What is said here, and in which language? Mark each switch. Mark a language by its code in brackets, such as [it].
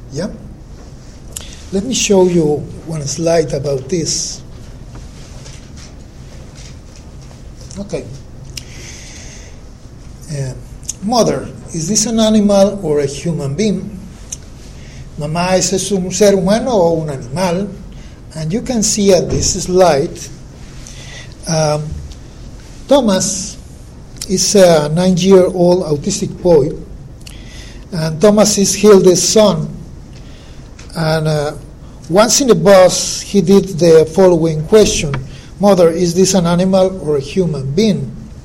[en] Yeah, let me show you one slide about this. Okay. Mother, is this an animal or a human being? [es] Mamá, ¿es eso un ser humano o un animal? [en] And you can see at this slide, Thomas is a 9-year-old autistic boy, and Thomas is Hilde's son. And once in the bus, he did the following question: Mother, is this an animal or a human being?